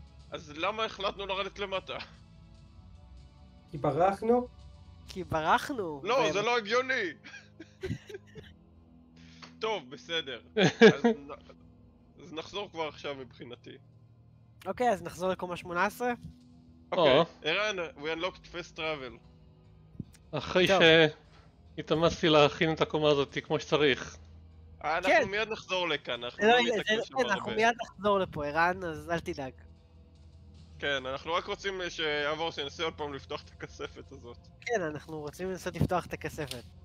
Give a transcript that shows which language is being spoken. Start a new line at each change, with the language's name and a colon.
Hebrew: אז למה החלטנו לרדת למטה? כי ברחנו? כי ברחנו! לא, זה לא הגיוני! טוב, בסדר. אז נחזור כבר עכשיו מבחינתי. אוקיי, אז נחזור לקומה 18. אוקיי, ערן,
English: we unlocked fast travel.
Hebrew: אחרי שהתאמצתי להכין את הקומה הזאת כמו שצריך. אנחנו מיד נחזור לכאן, אנחנו לא נתקל שם הרבה. אנחנו מיד נחזור לפה, ערן, אז אל תדאג. כן, אנחנו רק רוצים שיעבור שננסה עוד פעם לפתוח את הכספת הזאת. כן, אנחנו רוצים לנסות לפתוח את הכספת.